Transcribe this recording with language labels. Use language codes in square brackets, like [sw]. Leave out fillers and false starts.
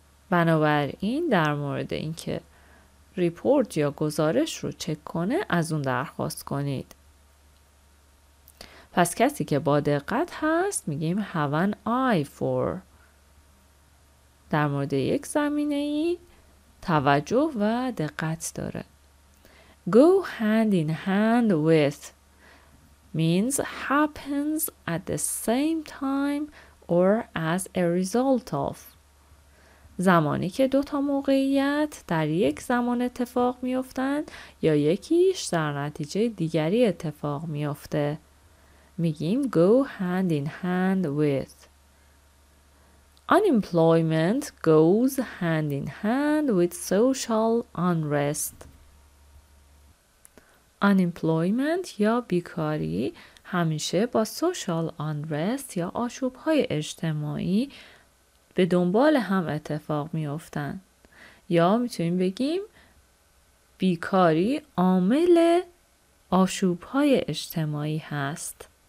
[fa] بنابراین در مورد اینکه ریپورت یا گزارش رو چک کنه از اون درخواست کنید. پس کسی که با دقت هست میگیم have an eye for. در مورد یک زمینه ای توجه و دقت داره. [en] Go hand in hand with means happens at the same time or as a result of. [fa] زمانی که دو تا موقعیت در یک زمان اتفاق می افتند یا یکیش در نتیجه دیگری اتفاق می افته. میگیم go hand in hand with. [en] Unemployment goes hand in hand with social unrest. [fa] Unemployment یا بیکاری همیشه با social unrest یا آشوب‌های اجتماعی به دنبال هم اتفاق می‌افتند. یا می‌تونیم بگیم بیکاری عامل آشوب‌های اجتماعی هست.